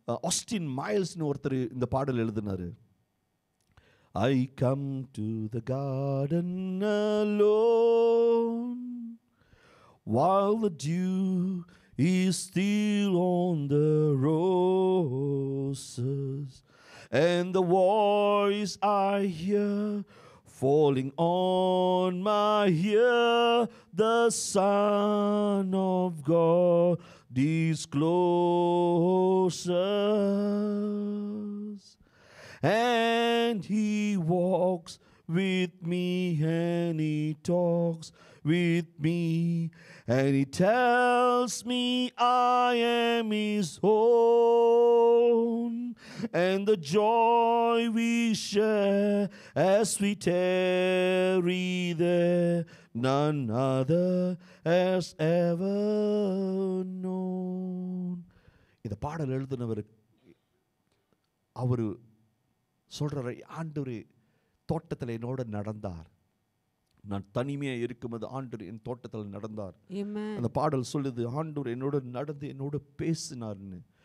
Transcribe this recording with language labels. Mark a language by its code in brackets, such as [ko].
[ta] Austin மைல்ஸ்னு ஒருத்தர் இந்த பாடல் எழுதினார். [en] I come to the garden alone while the dew is still on the roses and the voice I hear falling on my ear the Son of God discloses and he walks with me and he talks with me and he tells me I am his own and the joy we share as we tarry there none other has ever known. [ta] இந்த பாடல் எழுதினவர் அவர் சொல்கிற ஆண்டவரே தோட்டத்தில் என்னோடு நடந்தார், நான் தனிமையாக இருக்கும்போது ஆண்டவர் என் தோட்டத்தில் நடந்தார். அந்த பாடல் சொல்லுது ஆண்டவர் என்னோடு நடந்து என்னோடு பேசினார்னு.